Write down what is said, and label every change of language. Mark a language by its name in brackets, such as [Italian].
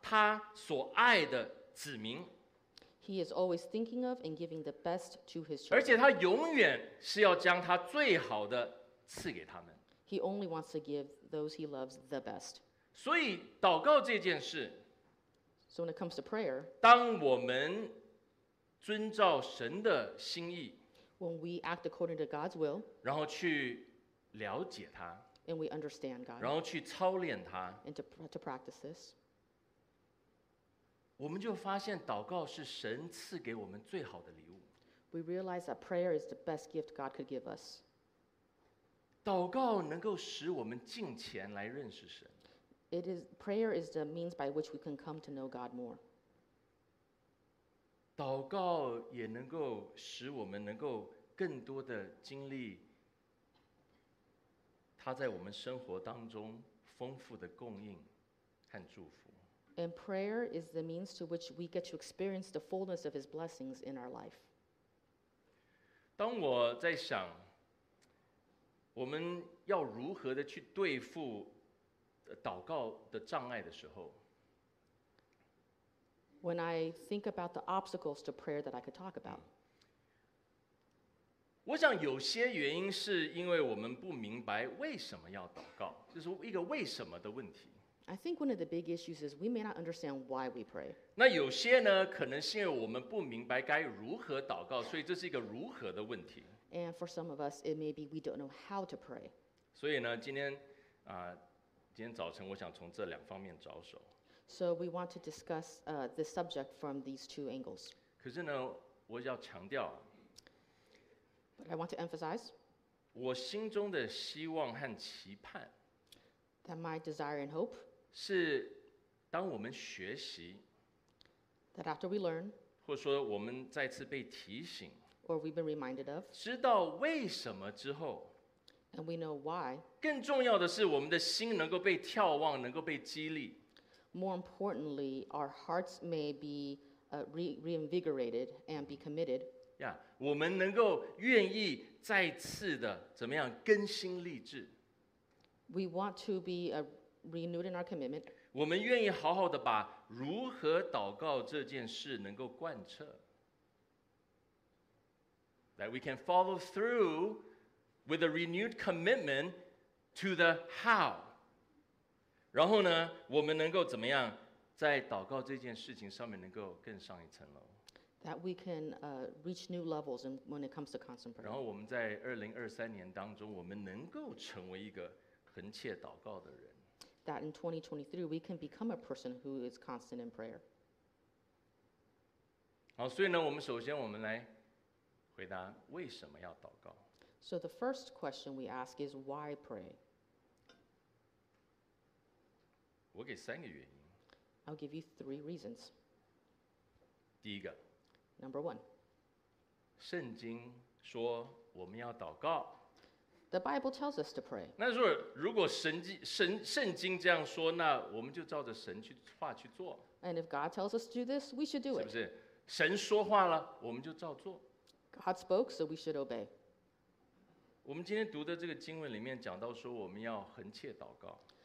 [Chinese] 他永远是记挂他所爱的子民。 [English] He is always thinking of and giving the best to his children. [Chinese] 而且他永远是要将他最好的赐给他们。 [English] He only wants to give those he loves the best. [Chinese] 所以祷告这件事, [English] So when it comes to prayer, [Chinese] 当我们遵照神的心意, [English] when we act according to God's will, [Chinese] 然后去了解他, [English] and we understand God, [Chinese] 然后去操练他, [English] and to practice this, [Chinese] 我们就发现祷告是神赐给我们最好的礼物。 [English] We realize that prayer is the best gift God could give us. [Chinese] 祷告能够使我们敬虔来认识神。 [English] It is prayer is the means by which we can come to know God more. [Chinese] 祷告也能够使我们能够更多的经历他在我们生活当中丰富的供应和祝福。 [English] And prayer is the means to which we get to experience the fullness of His blessings in our life. [Chinese] 当我在想，我们要如何的去对付祷告的障碍的时候。 [English] When I think about the obstacles to prayer that I could talk about. [Chinese] 我想有些原因是因为我们不明白为什么要祷告，这是一个为什么的问题。 [English] I think one of the big issues is we may not understand why we pray. [Chinese] 那有些呢，可能是因为我们不明白该如何祷告，所以这是一个如何的问题。 [English] And for some of us, it may be we don't know how to pray. [Chinese] 所以呢，今天早晨我想从这两方面着手。 [English] So we want to discuss the subject from these two angles. [Chinese] 可是呢，我要强调。 [English] But I want to emphasize. [Chinese] 我心中的希望和期盼。 [English] That my desire and hope [Chinese] 是当我们学习 [English] that after we learn [Chinese] 或者说我们再次被提醒 [English] or we've been reminded of [Chinese] 知道为什么之后 [English] and we know why [Chinese] 更重要的是我们的心能够被眺望能够被激励 [English] more importantly our hearts may be reinvigorated and be committed [Chinese] yeah, 我们能够愿意再次的怎么样更新立志 [English] We want to be renewed in our commitment. [Chinese] 我们愿意好好的把如何祷告这件事能够贯彻。 [English] That we can follow through with a renewed commitment to the how. [Chinese] 然后呢，我们能够怎么样在祷告这件事情上面能够更上一层楼。 [English] That we can reach new levels when it comes to constant prayer. [Chinese] 然后我们在2023年当中，我们能够成为一个恒切祷告的人。 [English] That in 2023 we can become a person who is constant in prayer. [Chinese] 好，所以呢，我们首先我们来回答为什么要祷告。 [English] So the first question we ask is why pray? [Chinese] 我给三个原因。 [English] I'll give you three reasons. [Chinese] 第一个。 [English] Number one. [Chinese] 圣经说我们要祷告。 [English] The Bible tells us to pray. [Chinese] 那说如果圣经这样说，那我们就照着神去话去做。 [English] And if God tells us to do this, we should do it. [Chinese] 是不是？神说话了，我们就照做。 [English] God spoke, so we should obey. [Chinese] 我们今天读的这个经文里面讲到说，我们要恒切祷告。